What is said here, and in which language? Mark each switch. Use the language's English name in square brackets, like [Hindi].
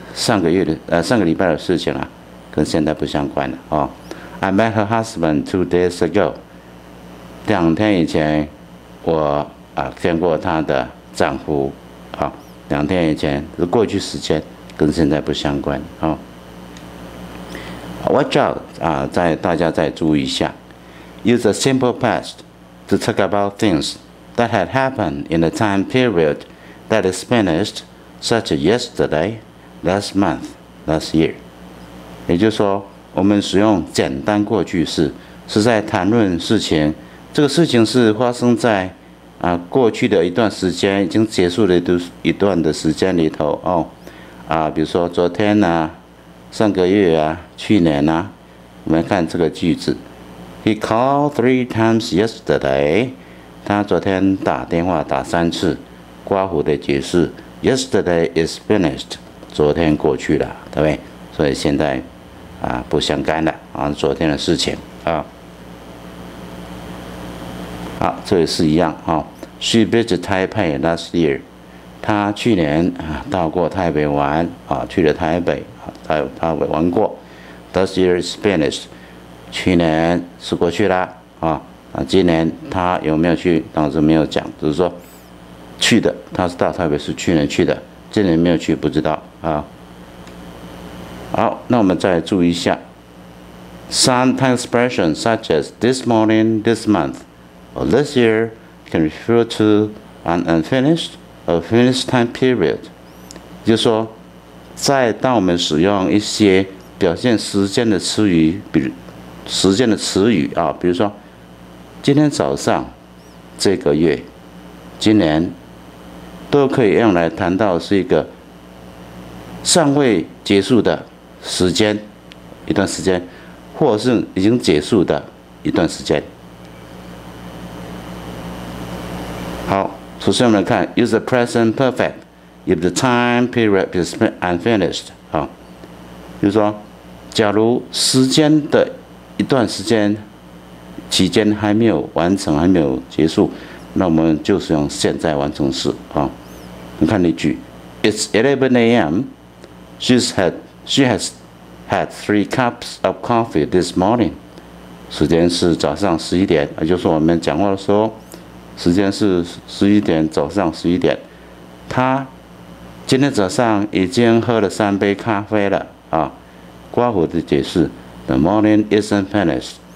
[Chinese] 上个月的上个礼拜的事情啊，跟现在不相关了啊。 [English] I met her husband 2 days ago. [Chinese] 两天以前我见过她的丈夫啊，两天以前是过去时间，跟现在不相关啊。 [English] Watch out [Chinese] 啊，在大家再注意一下。 [English] Use a simple past to talk about things that had happened in the time period that is finished, such as yesterday. Last month, last year. [Chinese] 也就是说，我们使用简单过去式，是在谈论事情。这个事情是发生在过去的一段时间，已经结束了一段的时间里头哦。比如说昨天啊，上个月啊，去年啊，我们看这个句子。 [English] He called 3 times yesterday. [Chinese] 他昨天打电话打3次。刮胡的解释 ， [English] Yesterday is finished. [Chinese] 昨天过去了，对不对？所以现在不相干了啊，昨天的事情啊。好，这也是一样啊。 [English] She visited Taipei last year. [Chinese] 她去年到过台北玩啊，去了台北，台北玩过。 [English] This year is finished. [Chinese] 去年是过去了啊。今年她有没有去？当时没有讲，就是说去的，她是到台北是去年去的。今年没有去不知道啊。好，那我们再注意一下 [English] ，some time expressions such as this morning, this month, or this year can refer to an unfinished or finished time period。 [Chinese] 就是说，再当我们使用一些表现时间的词语，比如时间的词语啊，比如说今天早上、这个月、今年。都可以用来谈到是一个尚未结束的时间，一段时间，或是已经结束的一段时间。好，首先我们来看 [English] ，use the present perfect if the time period is unfinished。 [Chinese] 好，就是说，假如时间的一段时间期间还没有完成，还没有结束，那我们就是用现在完成式啊。 [English] 你看那句 ，It's 11 a.m. She has had 3 cups of coffee this morning. [Chinese] 时间是早上11点，也就是我们讲话的时候，时间是11点，早上11点。她今天早上已经喝了3杯咖啡了啊。刮胡的解释 [English] ，The morning isn't finished.